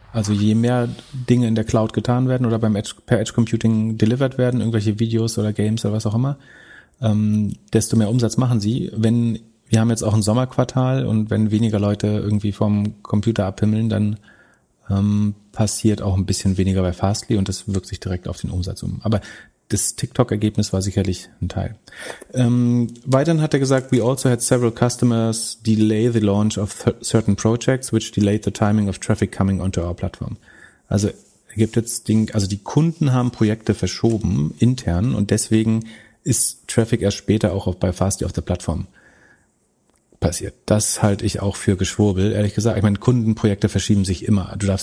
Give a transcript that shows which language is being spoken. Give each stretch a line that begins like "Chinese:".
German: Also je mehr Dinge in der Cloud getan werden oder per Edge Computing delivered werden, irgendwelche Videos oder Games oder was auch immer, desto mehr Umsatz machen sie. Wir haben jetzt auch ein Sommerquartal und wenn weniger Leute irgendwie vom Computer abhimmeln, dann passiert auch ein bisschen weniger bei Fastly und das wirkt sich direkt auf den Umsatz um. Aber das TikTok-Ergebnis war sicherlich ein Teil. Weiterhin hat er gesagt,
English: we also had several customers delay the launch of certain projects, which delayed the timing of traffic coming onto our platform.
German: Also gibt jetzt die Kunden haben Projekte verschoben intern und deswegen ist Traffic erst später auch bei Fastly auf der Plattform passiert. Das halte ich auch für Geschwurbel, ehrlich gesagt. Ich meine, Kundenprojekte verschieben sich immer.